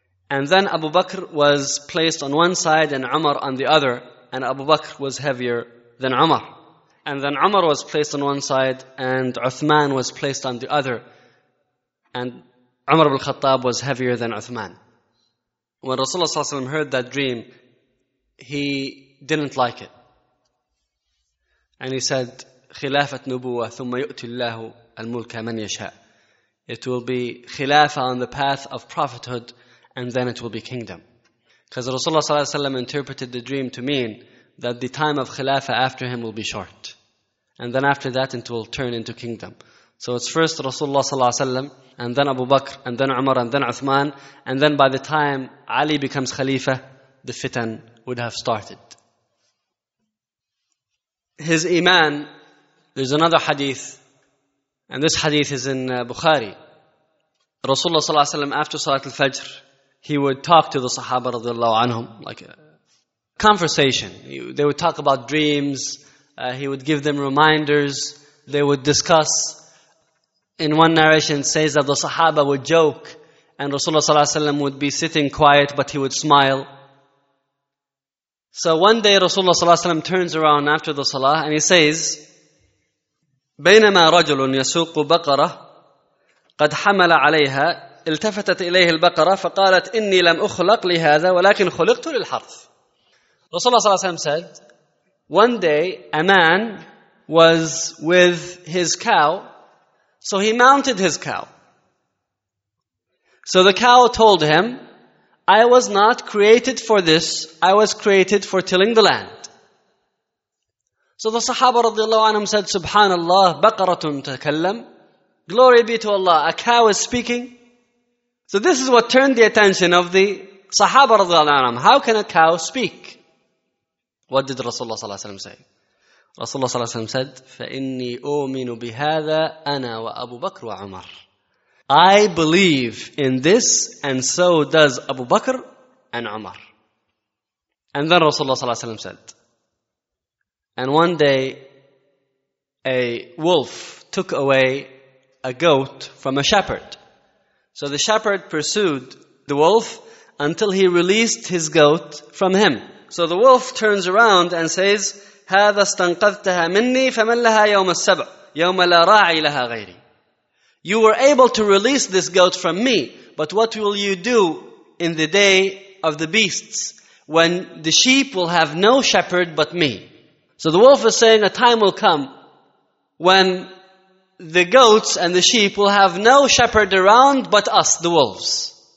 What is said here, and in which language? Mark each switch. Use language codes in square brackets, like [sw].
[en] And then Abu Bakr was placed on one side and Umar on the other, and Abu Bakr was heavier than Umar. And then Umar was placed on one side and Uthman was placed on the other, and Umar ibn Khattab was heavier than Uthman. When Rasulullah ﷺ heard that dream, he didn't like it. And he said, [ar] خِلَافَةْ نُبُوَّةْ ثُمَّ يُؤْتِ اللَّهُ الْمُلْكَ مَنْ يَشَاءُ. [en] It will be khilafah on the path of prophethood, and then it will be kingdom. Because Rasulullah ﷺ interpreted the dream to mean that the time of khilafah after him will be short. And then after that, it will turn into kingdom. So it's first Rasulullah ﷺ, and then Abu Bakr, and then Umar, and then Uthman, and then by the time Ali becomes khalifa, the fitan would have started. His iman, there's another hadith, and this hadith is in Bukhari. Rasulullah sallallahu alaihi wasallam, after Salat al-Fajr, he would talk to the Sahaba radiallahu anhum, like a conversation. They would talk about dreams, he would give them reminders, they would discuss. In one narration, it says that the Sahaba would joke, and Rasulullah sallallahu alaihi wasallam would be sitting quiet, but he would smile. So one day Rasulullah sallallahu alaihi wasallam turns around after the salah and he says, [ar] بينما رجل يسوق بقرة قد حمل عليها التفتت إليه البقرة فقالت إني لم أخلق لهذا ولكن خلقت للحرث. [en] Rasulullah sallallahu alaihi wasallam said, one day a man was with his cow, so he mounted his cow. So the cow told him, I was not created for this, I was created for tilling the land. So the Sahaba radiallahu anhum said, Subhanallah, [ar] baqaratun takallam. [en] Glory be to Allah, a cow is speaking. So this is what turned the attention of the Sahaba radiallahu anhum. How can a cow speak? What did Rasulullah sallallahu alayhi wa sallam say? Rasulullah sallallahu alayhi wa sallam said, [ar] فَإِنِّي أُؤْمِنُ بِهَذَا أَنَا وَأَبُو بَكْرُ وَعُمَرُ. [en] I believe in this, and so does Abu Bakr and Umar. And then Rasulullah ﷺ said, and one day a wolf took away a goat from a shepherd. So the shepherd pursued the wolf until he released his goat from him. So the wolf turns around and says, [ar] هَذَا اسْتَنْقَذْتَهَا مِنِّي فَمَنْ لَهَا يَوْمَ السَّبْعِ يَوْمَ لَا رَاعِي لَهَا غَيْرِي. [en] You were able to release this goat from me, but what will you do in the day of the beasts when the sheep will have no shepherd but me? So the wolf is saying a time will come when the goats and the sheep will have no shepherd around but us, the wolves.